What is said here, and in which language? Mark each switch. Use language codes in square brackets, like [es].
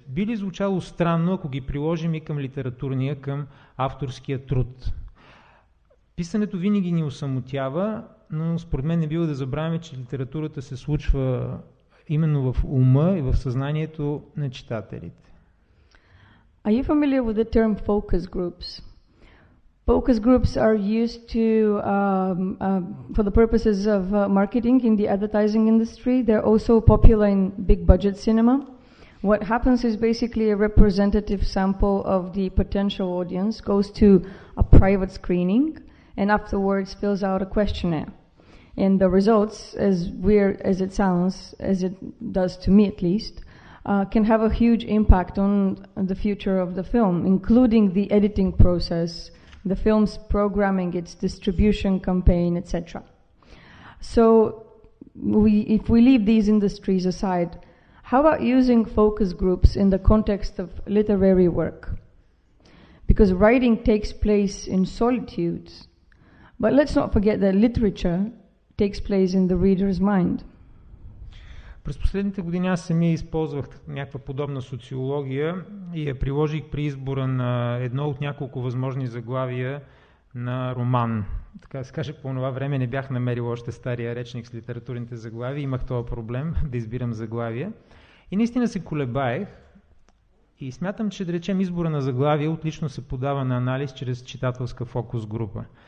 [bg] Би ли звучало странно, ако ги приложим и към литературния, към авторския труд? Писането винаги ни усамотява, но според мен не бива да забравяме, че литературата се случва именно в ума и в съзнанието на читателите. [en] Are you familiar with the term focus groups? Focus groups are used to for the purposes of marketing in the advertising industry. They're also popular in big budget cinema. What happens is basically a representative sample of the potential audience goes to a private screening and afterwards fills out a questionnaire. And the results, as weird as it sounds, as it does to me at least, can have a huge impact on the future of the film, including the editing process, the film's programming, its distribution campaign, etc. So if we leave these industries aside, how about using focus groups in the context of literary work? Because writing takes place in solitude, but let's not forget that literature takes place in the reader's mind. [bg] През последните години аз самия използвах някаква подобна социология и я приложих при избора на едно от няколко възможни заглавия на роман. Така се каже, по това време не бях намерил още стария речник с литературните заглавия. Имах този проблем да избирам заглавия. И наистина се колебаех и смятам, че да речем избора на заглавия отлично се подава на анализ чрез читателска фокус група.